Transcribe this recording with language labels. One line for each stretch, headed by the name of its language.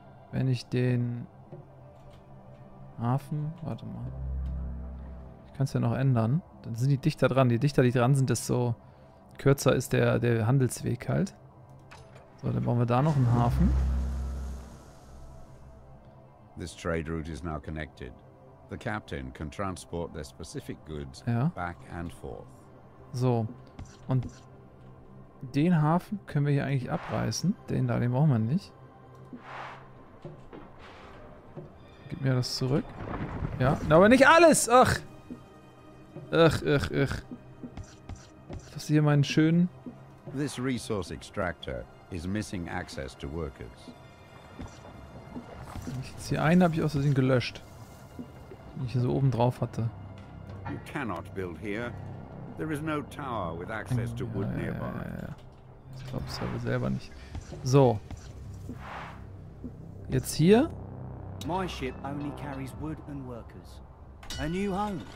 German: Wenn ich den Hafen... Warte mal. Ich kann es ja noch ändern. Dann sind die dichter dran. Je dichter die dran sind, desto kürzer ist der Handelsweg halt. So, dann bauen wir da noch einen Hafen.
English: This trade route is now connected. The captain can transport their specific goods back and forth.
German: So, und den Hafen können wir hier eigentlich abreißen. Den da, den brauchen wir nicht. Gib mir das zurück. Ja, aber nicht alles! Ach! Ach. Das ist hier meinen schönen...
English: This resource extractor is missing access to workers.
German: Wenn ich jetzt hier einen habe ich aus Versehen gelöscht. Den ich hier so oben drauf hatte.
English: You cannot build here. There is no tower with access to wood nearby.
German: Ja. Ich glaube es aber selber nicht. So. Jetzt hier.
English: My ship only carries wood and workers. A new home.